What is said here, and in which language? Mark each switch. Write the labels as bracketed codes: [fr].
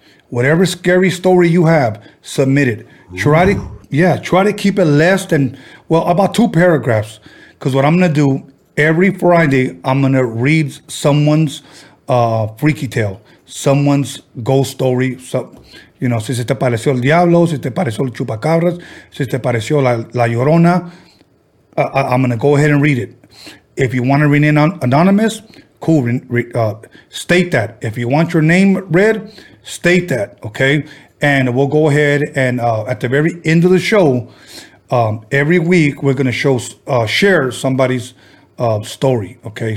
[en] Whatever scary story you have, submit it. Try to keep it less than, well, about two paragraphs. Because what I'm going to do, every Friday, I'm going to read someone's freaky tale, someone's ghost story. So, you know, [es] si se te pareció el diablo, si te pareció el chupacabras, si te pareció la llorona, [en] I'm going to go ahead and read it. If you want to remain anonymous, cool, state that. If you want your name read, state that, okay? And we'll go ahead and at the very end of the show, every week, we're going to share somebody's story, okay?